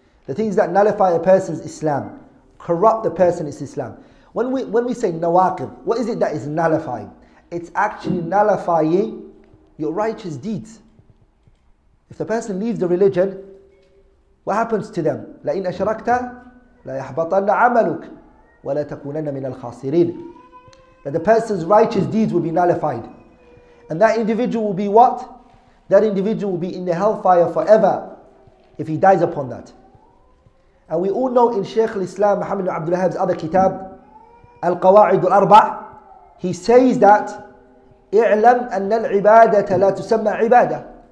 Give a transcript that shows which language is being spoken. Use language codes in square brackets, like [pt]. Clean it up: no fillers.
[en] The things that nullify a person's Islam, corrupt the person's Islam. When we say nawaqid, what is it that is nullifying? It's actually nullifying your righteous deeds. If the person leaves the religion, what happens to them? [ar] لا إن أشركت لا يحبطن عملك ولا تكونن من الخاسرين. [en] That the person's righteous deeds will be nullified, and that individual will be what? That individual will be in the hellfire forever if he dies upon that. And we all know in Shaykh al-Islam Muhammad ibn Abdul Wahhab's other kitab, Al-Qawa'id al-Arba', he says that, [ar] اعلم أن العبادة لا تسمى عبادة.